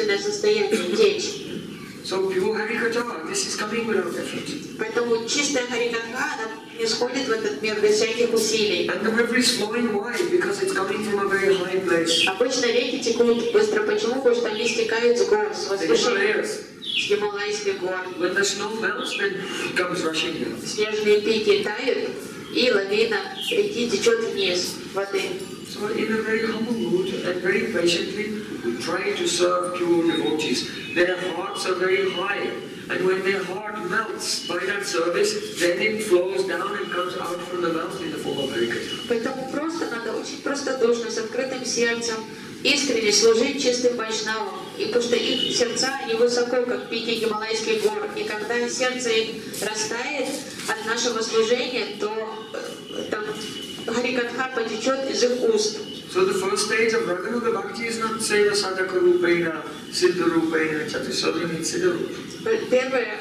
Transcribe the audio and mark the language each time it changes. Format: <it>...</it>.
<en>So pure Harikatha, this is coming without effort.</en> <ru>Исходит в этот мир без всяких усилий.</ru> <en>And the river is flowing wide because it's coming from a very high place.</en> <ru>Обычно реки текут быстро. Почему? Потому что они стекают с гор, с возвышения. С гималайских гор.</ru> <en>When the snow melts, then it comes rushing down.</en> <ru>Снежные пики тают, И лавина реки течет вниз воды.</ru> <en>So in a very humble mood and very patiently we try to serve pure devotees. Their hearts are very high, and when their heart melts by that service, then it flows down and comes out from the mouth in the form of harikatha.</en> <ru>Поэтому просто надо очень простодушно с открытым сердцем искренне служить чистым вайшнавам, и потому что их сердца они высоко, как пики Гималайских гор, и когда сердце их растает от нашего служения, то там харикатха потечет из их уст.</ru> <en>So the first stage of Raghunatha Bhakti is not Seva Sadhaka Rupena, Siddha Rupena, Chatisodhani, Siddha</en>